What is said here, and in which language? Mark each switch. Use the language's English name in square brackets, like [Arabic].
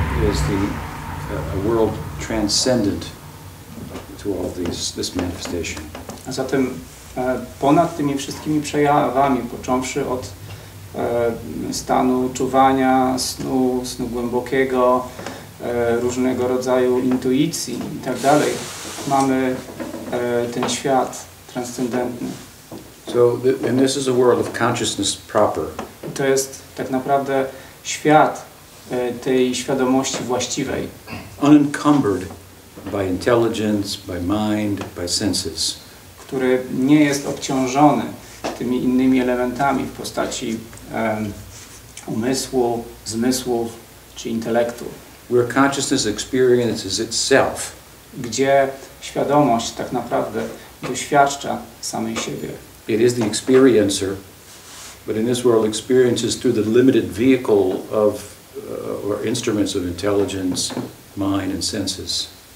[English] is the a world transcendent to all these this manifestation. [Polish] A zatem ponad tymi wszystkimi przejawami, począwszy od stanu czuwania, snu, snu głębokiego, różnego rodzaju intuicji i tak dalej, mamy ten świat transcendentny. [English] So, and this is a world of consciousness proper. [Polish] To jest tak naprawdę świat tej świadomości właściwej. [English] Unencumbered by intelligence, by mind, by senses. [Polish] Który nie jest obciążony tymi innymi elementami w postaci umysłu, zmysłów czy intelektu. [English] Where consciousness experiences itself. [Polish] Gdzie świadomość tak naprawdę doświadcza samej siebie. [English] It is the experiencer, but in this world experiences through the limited vehicle of or instruments of intelligence, mind and senses.